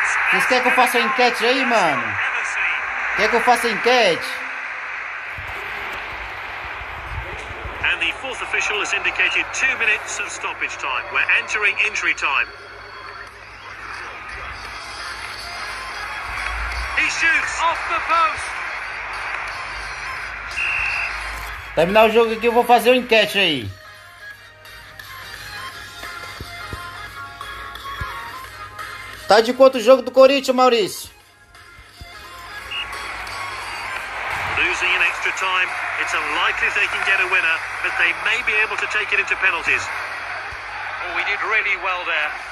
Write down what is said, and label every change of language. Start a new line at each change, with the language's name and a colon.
Portuguese: Vocês querem que eu faça a enquete aí, mano? Quer que eu faça a enquete?
English: And the fourth official has indicated 2 minutes of stoppage time. We're entering injury time. He shoots off the post.
Portuguese: Terminar o jogo aqui, eu vou fazer a enquete aí. Tá de quanto o jogo do Corinthians, Maurício?
English: Losing in extra time, it's unlikely they can get a winner, but they may be able to take it into penalties. Oh, we did really well there.